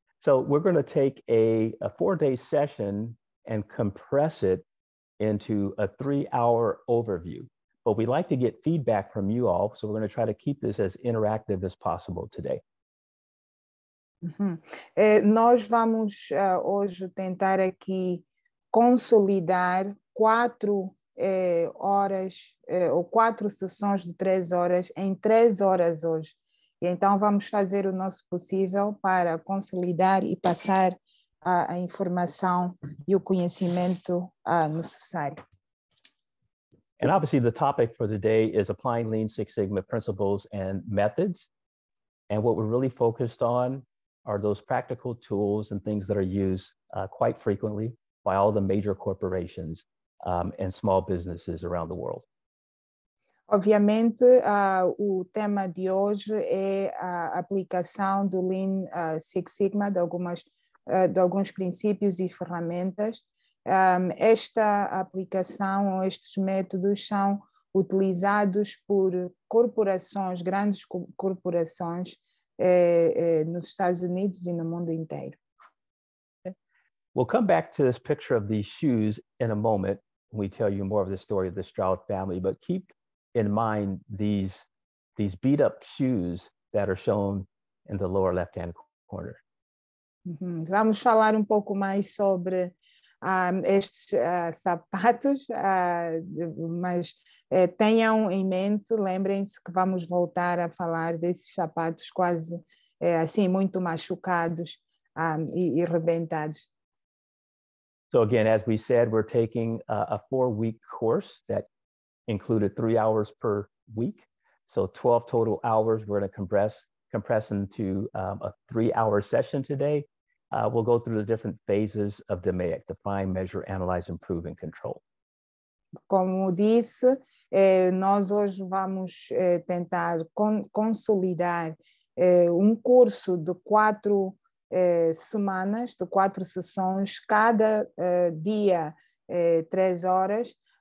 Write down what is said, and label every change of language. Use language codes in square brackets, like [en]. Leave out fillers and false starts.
[en] So we're going to take a four-day session and compress it into a three-hour overview. But we'd like to get feedback from you all, so we're going to try to keep this as interactive as possible today. Uhum. [pt] Nós vamos hoje tentar aqui consolidar quatro horas, ou quatro sessões de três horas em três horas hoje. E então vamos fazer o nosso possível para consolidar e passar a informação e o conhecimento necessário. [en] And obviously the topic for today is applying Lean Six Sigma principles and methods. And what we're really focused on are those practical tools and things that are used quite frequently by all the major corporations and small businesses around the world. [pt] Obviamente, o tema de hoje é a aplicação do Lean Six Sigma, de alguns princípios e ferramentas. Esta aplicação ou estes métodos são utilizados por corporações, grandes corporações nos Estados Unidos e no mundo inteiro. [en] We'll come back to this picture of these shoes in a moment when we tell you more of the story of the Stroud family, but keep in mind these beat up shoes that are shown in the lower left hand corner. Uh-huh. [pt] Vamos falar um pouco mais sobre estes sapatos, mas tenham em mente, lembrem-se que vamos voltar a falar desses sapatos quase assim muito machucados e rebentados. [en] So again, as we said, we're taking a four-week course that included 3 hours per week. So 12 total hours we're going to compress into a three-hour session today. We'll go through the different phases of DMAIC, define, measure, analyze, improve, and control. [pt] Como disse, nós hoje vamos tentar consolidar curso de quatro semanas, de quatro sessões, cada dia três horas.